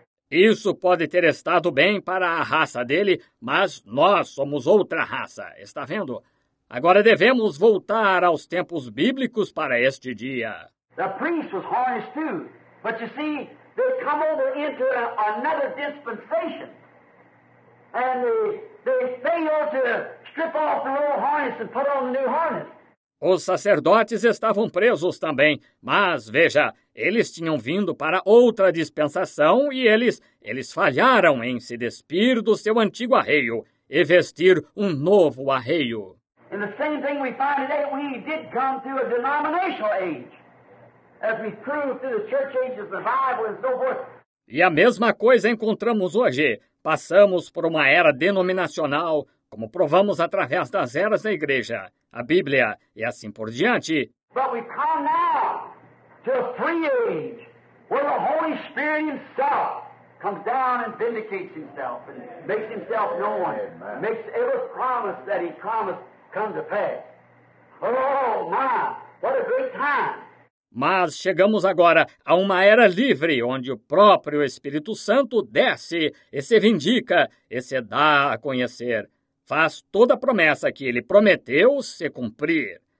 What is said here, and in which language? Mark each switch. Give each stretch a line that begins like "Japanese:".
Portuguese: Isso pode ter estado bem para a raça dele, mas nós somos outra raça, está vendo? Agora devemos voltar aos tempos bíblicos para este dia.
English: The priest was harnessed too, but you see, they come over into another dispensation, and they fail to strip off the old harness and put on the new harness.
Portuguese: Os sacerdotes estavam presos também, mas veja, eles tinham vindo para outra dispensação e eles falharam em se despir do seu antigo arreio e vestir um novo arreio.
English: And the same thing we find today, we did come to a denominational age. As we prove through the church ages, the Bible and so forth.
Portuguese: E a mesma coisa encontramos hoje. Passamos por uma era denominacional, como provamos através das eras da igreja, a Bíblia e assim por diante.
English: But we come now to a free age, where the Holy Spirit himself comes down and vindicates himself and makes himself known, makes every promise that he promised come to pass. But oh my, what a great time.
Portuguese: Mas chegamos agora a uma era livre, onde o próprio Espírito Santo desce e se vindica e se dá a conhecer. Faz toda a promessa que ele prometeu se cumprir.